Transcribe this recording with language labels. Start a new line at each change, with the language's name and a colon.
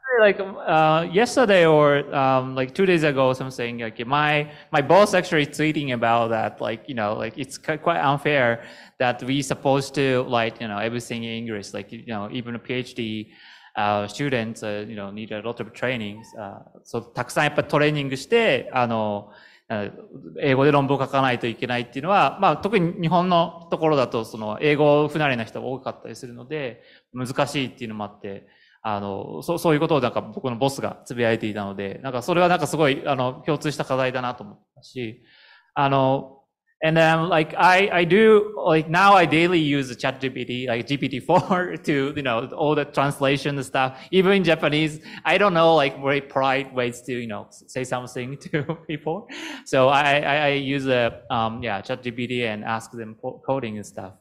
English: Like yesterday or 2 days ago, something like my boss actually tweeting about that, like, you know, like it's quite unfair that we supposed to like, you know, everything in English, like, you know, even a PhD students, you know, need a lot of trainings.
Japanese: So たくさんやっぱトレーニングして、あの、英語で論文を書かないといけないっていうのは、まあ特に日本のところだとその英語不慣れな人が多かったりするので難しいっていうのもあって、あの、そういうことをなんか僕のボスが呟いていたので、なんかそれはなんかすごい、あの、共通した課題だなと思ったし、あの、
English: And then like I do, like now I daily use ChatGPT, like GPT-4 to, you know, all the translation stuff, even in Japanese. I don't know, like very polite ways to, you know, say something to people. So I use a, yeah, ChatGPT and ask them coding and stuff.